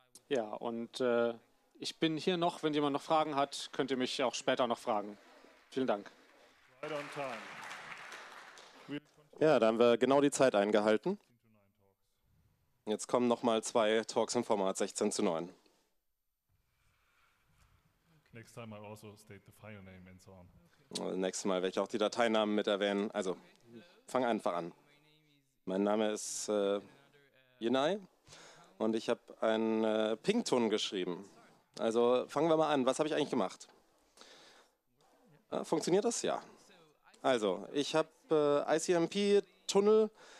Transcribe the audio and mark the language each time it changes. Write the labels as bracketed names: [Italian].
[German] Ja, und ich bin hier noch. Wenn jemand noch Fragen hat, könnt ihr mich auch später noch fragen. Vielen Dank. [English] Right on time. [German] Ja, da haben wir genau die Zeit eingehalten. Jetzt kommen noch mal zwei Talks im Format 16:9. [English] Next time I'll also state the file name and so on. Okay. [German] Nächstes Mal werde ich auch die Dateinamen mit erwähnen. Also, fang einfach an. Mein Name ist Yenai und ich habe einen Pington geschrieben. Also, fangen wir mal an. Was habe ich eigentlich gemacht? Funktioniert das? Ja. Also, ich habe ICMP-Tunnel